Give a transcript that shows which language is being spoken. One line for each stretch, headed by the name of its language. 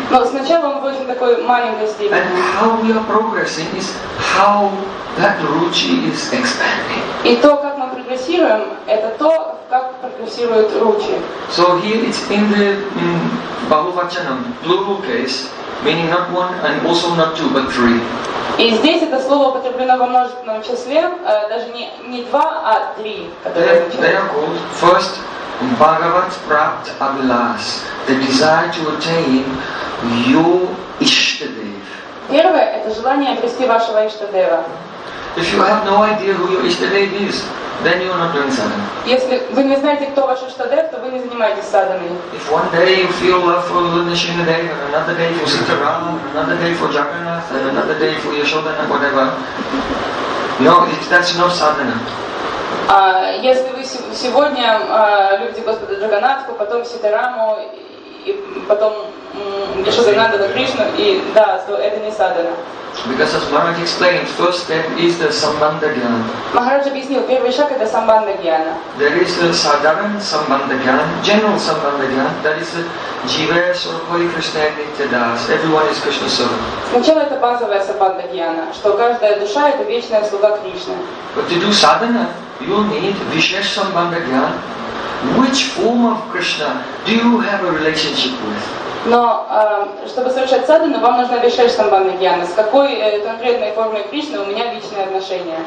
Russian: Но сначала он в очень такой маленькой степени.
English: And how we are progressing is how that ruchi is expanding.
Russian: И то, как мы прогрессируем, это то, как прогрессирует ruchi.
English: So here it's in the Bahuvachanam, plural case, meaning not one and also not two, but three.
Russian: И здесь это слово употреблено во множественном числе, даже не два, а три.
English: They are called first Bhagavat Prapt Abhilas, the desire to attain your Ishtadev.
Russian: Первое – это желание обрести вашего Ishtadeva.
English: If you have no idea who your Ishtadev is, then you are not doing sadhana.
Russian: Если вы не знаете, кто ваш иштадев, то вы не занимаетесь садханой.
English: If one day you feel love for Lord Nishina Dev, another day for Sitaram, another day for Jagannath, and another day for Yashoda and whatever, no, that's not sadhana.
Russian: Если вы сегодня любите Господа Джаганатху, потом Ситараму, и потом Яшодананда Кришну, и да, то это не садхана.
English: Because as Maharaj explained, first step is the Sambandha Gyana.
Russian: Maharaj объяснил, первый шаг это Sambandha Gyana.
English: There is the Sadharan Sambandha Gyana, general Sambandha Gyana, that is the Jiva, Sorpoli, Krishna, Nitya, Das. Everyone is Krishna Sorpoli.
Russian: Сначала это базовая Sambandha Gyana, что каждая душа это вечная слуга Кришны.
English: But to do sadhana, you need Vishesh Sambandha Gyana. Which form of Krishna do you have a relationship with?
Russian: Но чтобы совершать садхану, вам нужно решать самбандхи гьяна. С какой конкретной формой Кришны у меня личные отношения?